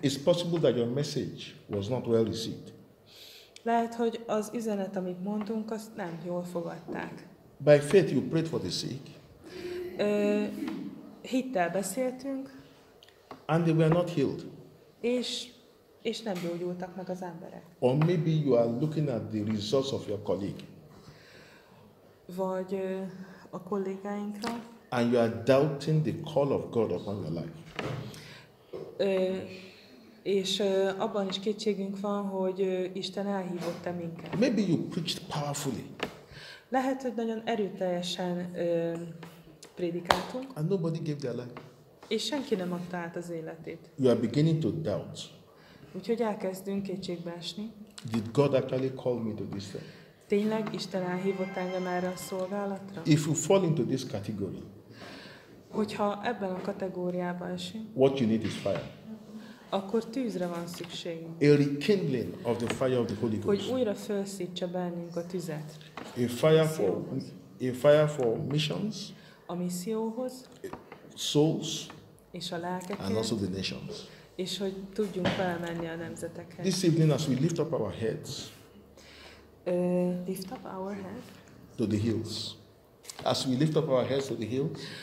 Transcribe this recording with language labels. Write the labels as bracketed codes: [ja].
[en] It's possible that your message was not well received. [hu] Lehet, hogy az üzenet, amit mondtunk, azt nem jól fogadták. [en] By faith you prayed for the sick. [hu] Hittel beszéltünk. [en] And they were not healed. [hu] És nem gyógyultak meg az emberek. [en] Or maybe you are looking at the results of your colleague. [hu] Vagy a kollégáinkra. [en] And you are doubting the call of God upon your life. [hu] És abban is kétségünk van, hogy Isten elhívott-e minket. [en] Maybe you preached powerfully. [hu] Lehet, hogy nagyon erőteljesen prédikáltunk. [en] And nobody gave their life. [hu] És senki nem adta át az életét. [en] You are beginning to doubt. [hu] Úgyhogy elkezdünk kétségbe esni. [en] Did God actually call me to this thing? [hu] Tényleg Isten elhívott engem erre a szolgálatra? [en] If you fall into this category, [hu] hogyha ebben a kategóriában esünk, [en] what you need is fire. [hu] akkor tűzre van szükségünk. [en] A rekindling of the fire of the Holy Ghost. [hu] Hogy újra felszítsa bennünk a tüzet. [en] A fire for missions. [hu] A misszióhoz. [en] Souls. [hu] És a lelkeket. [en] And also the nations. [hu] És hogy tudjunk felmenni a nemzetekhez. [en] This evening as we lift up our heads. Lift up our heads. To the hills. As we lift up our heads to the hills.